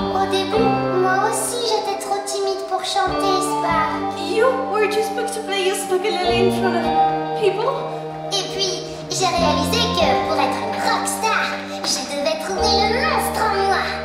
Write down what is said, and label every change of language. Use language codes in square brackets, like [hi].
[fr] Au début, moi aussi j'étais trop timide pour chanter, Spark. [en] You were too spooked to play your spooky lily in front of people. [fr] Et puis, j'ai réalisé que pour être une rockstar, je devais trouver le monstre en moi.